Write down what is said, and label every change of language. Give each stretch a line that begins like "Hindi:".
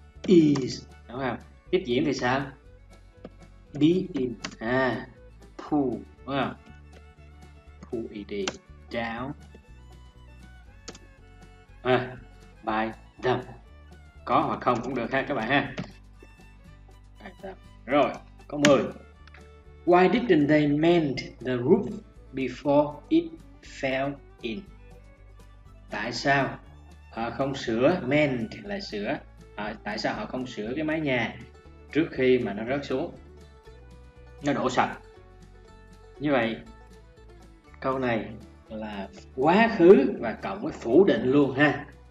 Vietnamese: Is, đúng không? Tiếp diễn thì sao?
English: Be in, pull,
Vietnamese: đúng không?
English: Pull it down by them.
Vietnamese: Có hoặc không cũng được ha các bạn ha.
English: By them.
Vietnamese: Rồi, câu 10.
English: Why didn't they mend the roof before it fell in?
Vietnamese: Tại sao họ không sửa, mend là sửa, tại sao họ không sửa cái mái nhà trước khi mà nó rớt xuống, nó đổ sập. Như vậy câu này là quá khứ và cộng với phủ định luôn ha.